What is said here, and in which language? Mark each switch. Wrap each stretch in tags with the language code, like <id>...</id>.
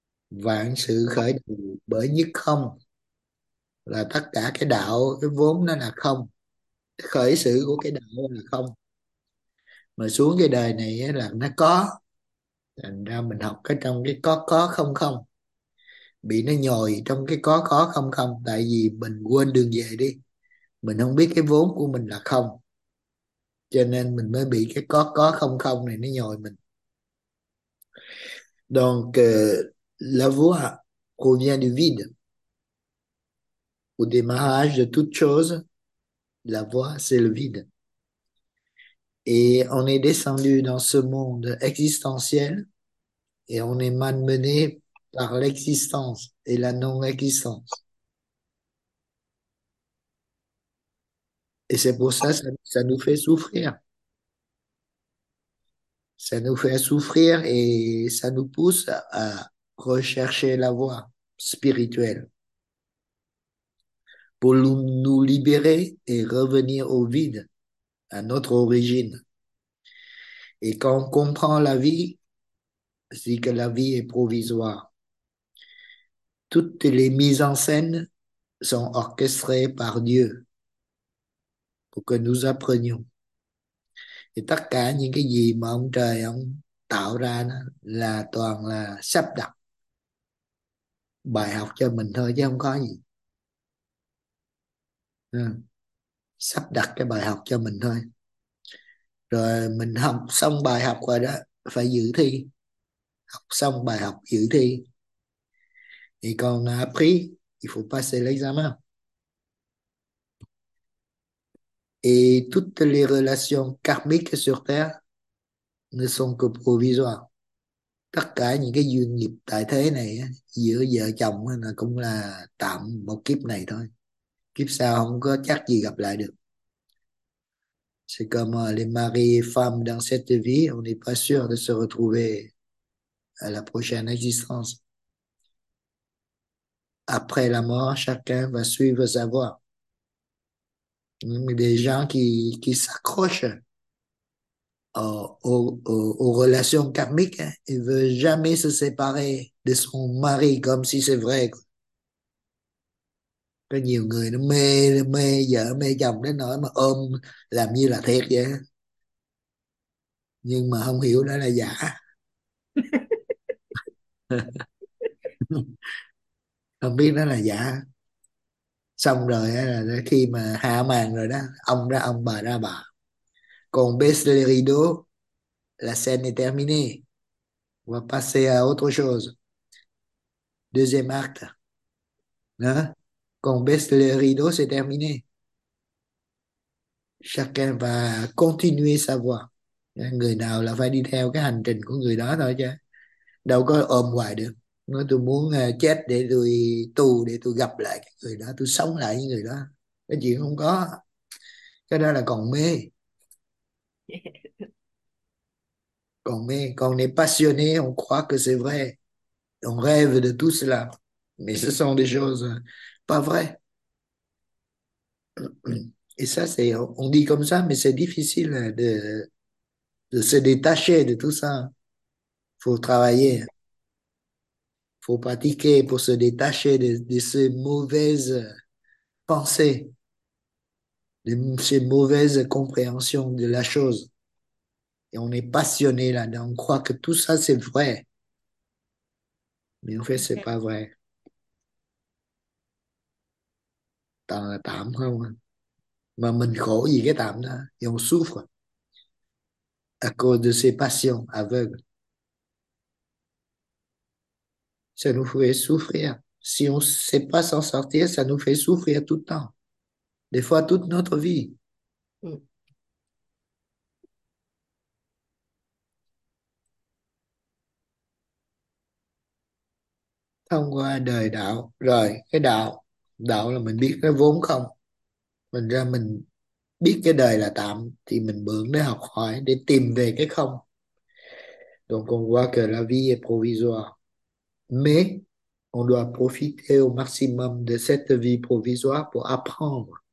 <vi>Vạn sự khởi đầu bởi nhất không, là tất cả cái đạo cái vốn nó là không, khởi sự của cái đạo là không, mà xuống cái đời này ấy là nó có, thành ra mình học cái trong cái có không không, bị nó nhồi trong cái có không không, tại vì mình quên đường về đi, mình không biết cái vốn của mình là không, cho nên mình mới bị cái có không không này nó nhồi mình.</vi> <fr>Donc la voix provient du vide. Au démarrage de toute chose, la voix, c'est le vide. Et on est descendu dans ce monde existentiel et on est malmené par l'existence et la non-existence. Et c'est pour ça nous fait souffrir. Ça nous fait souffrir et ça nous pousse à rechercher la voie spirituelle pour nous libérer et revenir au vide, à notre origine. Et quand on comprend la vie, c'est que la vie est provisoire. Toutes les mises en scène sont orchestrées par Dieu pour que nous apprenions.</fr> <vi>Et tất cả những cái gì mà ông trời ông tạo ra đó là toàn là sắp đặt bài học cho mình thôi chứ không có gì. Sắp đặt cái bài học cho mình thôi. Rồi mình học xong bài học rồi đó, phải dự thi. Học xong bài học dự thi. Thì còn</vi> <fr>appris, il faut passer l'examen. Et toutes les relations karmiques sur Terre ne sont que provisoires.</fr> <vi>Tất cả những cái duyên nghiệp tại thế này giữa vợ chồng là cũng là tạm một kiếp này thôi. Kiếp sau không có chắc gì gặp lại được.</vi> <fr>C'est comme les maris et femmes dans cette vie, on n'est pas sûr de se retrouver à la prochaine existence. Après la mort, chacun va suivre sa voie. Des gens qui s'accrochent aux relations karmiques, hein, ils veulent jamais se séparer de son mari comme si c'est vrai.</fr> <vi>Có nhiều người nó mê vợ mê chồng đến nỗi mà ôm làm như là thiệt vậy, nhưng mà không hiểu đó là giả, không biết đó là giả. Xong rồi là khi mà hạ màn rồi đó, ông ra ông, bà ra bà,</vi> <fr>còn baisse les rideaux, la scène est terminée, on va passer à autre chose, deuxième acte, hein? Còn baisse les rideaux, c'est terminé. Chacun va continuer sa voie.</fr> <vi>Người nào là phải đi theo cái hành trình của người đó thôi chứ. Đâu có ôm hoài được. Nói tôi muốn chết để tôi tù, để tôi gặp lại cái người đó, tôi sống lại với người đó. Cái chuyện không có. Cái đó là còn mê. Còn mê, còn</vi> <fr>n'est passionné, on croit que c'est vrai. On rêve de tout cela. Mais ce sont des choses pas vrai. Et ça, c'est, on dit comme ça, mais c'est difficile de se détacher de tout ça. Faut travailler, faut pratiquer pour se détacher de ces mauvaises pensées, de ces mauvaises compréhensions de la chose. Et on est passionné là-dedans, on croit que tout ça, c'est vrai. Mais en fait, c'est pas vrai.</fr> <vi>Tạm là tạm không, mà mình khổ vì cái tạm đó, thì</vi> <fr>on souffre à cause de ses passions aveugles. Ça nous fait souffrir. Si on ne sait pas s'en sortir, ça nous fait souffrir tout le temps. Des fois, toute notre vie.</fr> <vi>Thông qua đời đạo, rồi cái đạo. Đạo là mình biết nó vốn không, mình ra mình biết cái đời là tạm thì mình mượn để học hỏi để tìm về cái không.</vi> <fr>Donc on voit que la vie est provisoire, mais on doit profiter au maximum de cette vie provisoire pour apprendre.</fr>